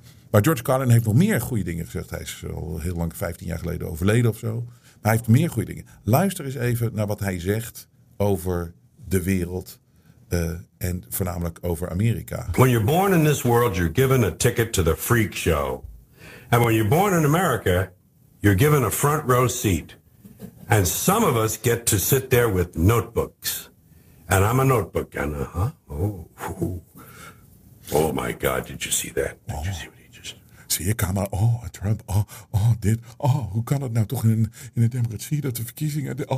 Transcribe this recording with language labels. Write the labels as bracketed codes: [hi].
[nl] Maar George Carlin heeft nog meer goede dingen gezegd. Hij is al heel lang, 15 jaar geleden, overleden of zo. Maar hij heeft meer goede dingen. Luister eens even naar wat hij zegt over de wereld. En voornamelijk over Amerika. [en] When you're born in this world, you're given a ticket to the freak show. And when you're born in America, you're given a front row seat. And some of us get to sit there with notebooks. And I'm a notebook gunner, huh? Oh, oh my God, did you see that? [nl] Zie je, Kamer? Oh, Trump. Dit. Oh, hoe kan het nou toch in een democratie dat de verkiezingen...